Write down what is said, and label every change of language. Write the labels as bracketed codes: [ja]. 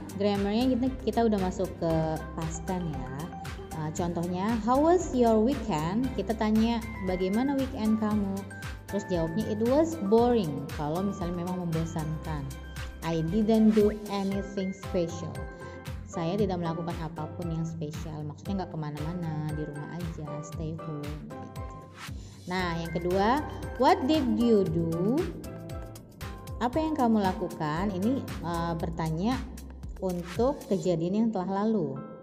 [id] Grammarnya kita udah masuk ke past tense ya. Contohnya, [en] how was your weekend? [id] Kita tanya, bagaimana weekend kamu? Terus jawabnya, [en] it was boring. [id] Kalau misalnya memang membosankan. [en] I didn't do anything special. [id] Saya tidak melakukan apapun yang spesial. Maksudnya gak kemana-mana, di rumah aja, stay home. Nah, yang kedua, [en] what did you do? [id] Apa yang kamu lakukan? Ini bertanya untuk kejadian yang telah lalu.